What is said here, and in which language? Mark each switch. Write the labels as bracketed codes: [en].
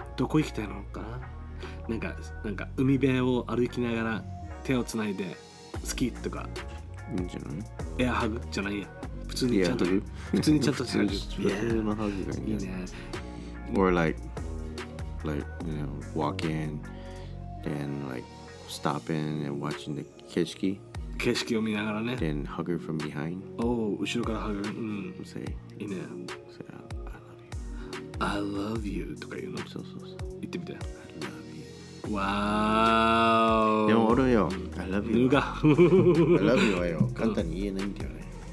[ja] どこ行きたいのかな、なんか海辺を歩きながら手をつないで好きとか、いいんじゃない、エアハグじゃないや、普通にちゃんと普通にちゃんとつなぐ普通のハグがいいね。 [en] Or like you know, walk in and like stop in and watching the 景色 [ja] を見ながらね、 [en] then hug her from behind、 [ja] oh, 後ろからハグ、うん、 [en] say [ja] いいね、 [en] say I love you、 I love you [ja] とか言うの、そうそうそう、言ってみて、 [en] I love you、 wow、 [ja] でも俺よ、 [en] I love you、 [ja] ぬが [en] I love you [ja] はよ、簡単に言えないんだよね、